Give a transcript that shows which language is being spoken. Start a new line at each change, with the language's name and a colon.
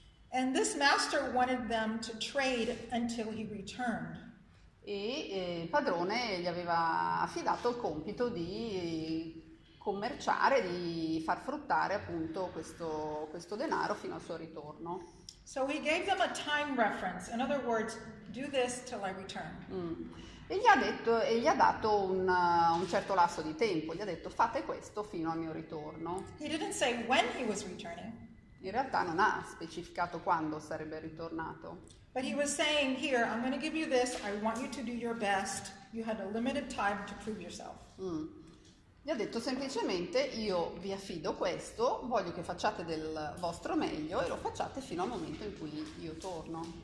English: And this master wanted them to trade until he returned.
Italian: E il padrone gli aveva affidato il compito di commerciare, di far fruttare appunto questo denaro fino al suo ritorno.
English: So he gave them a time reference. In other words, do this till I return.
Italian: E gli ha detto e gli ha dato un certo lasso di tempo, gli ha detto fate questo fino al mio ritorno.
English: He didn't say when he was returning.
Italian: In realtà non ha specificato quando sarebbe ritornato.
English: But he was saying here, I'm going to give you this. I want you to do your best. You had a limited time to prove yourself.
Italian: Gli ha detto semplicemente, io vi affido questo, voglio che facciate del vostro meglio e lo facciate fino al momento in cui io torno.